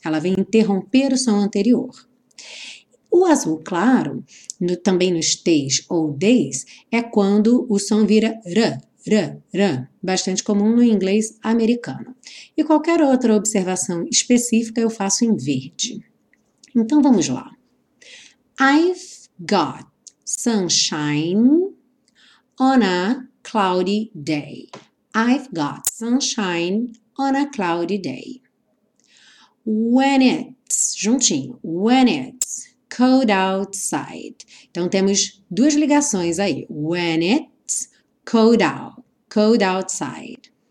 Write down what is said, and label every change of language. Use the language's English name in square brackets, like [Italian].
[Portuguese] Ela vem interromper o som anterior. O azul claro, no, também nos T's ou D's, é quando o som vira R, R, R, bastante comum no inglês americano. E qualquer outra observação específica eu faço em verde. Então vamos lá. [English] I've got sunshine on a cloudy day. I've got sunshine on a cloudy day. When it's, [Portuguese] juntinho, [English] when it's cold outside. [Portuguese] Então temos duas ligações aí. [English] When it's cold out, cold outside.